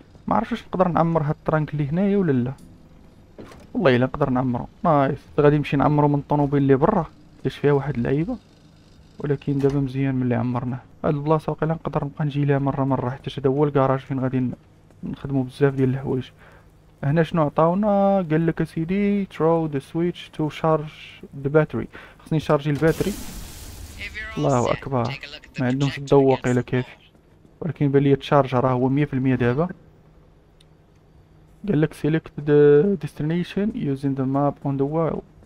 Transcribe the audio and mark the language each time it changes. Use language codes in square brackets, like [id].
[ar] ما عرفتش واش نقدر نعمر هاد الترانك اللي هنايا ولا لا. والله الا نقدر نعمرو نايس. غادي نمشي نعمرو من الطوموبيل اللي برا باش فيها واحد اللعيبه، ولكن دابا مزيان من اللي عمرناه هاد البلاصه. واقيلا نقدر نبقى نجي لها مره مره، حتى هذا هو الكراج فين غادي نخدمو بزاف ديال الحوايج. هنا شنو عطاونا؟ قال لك اسيدي [en] throw the switch to charge the battery. [ar] خصني نشارجي الباتري. الله اكبر، ما عندهمش الضوء واقيلا كافي، ولكن بان لي تشارج راه هو 100% دابا. قال لك [en] select the destination using the map on the wall.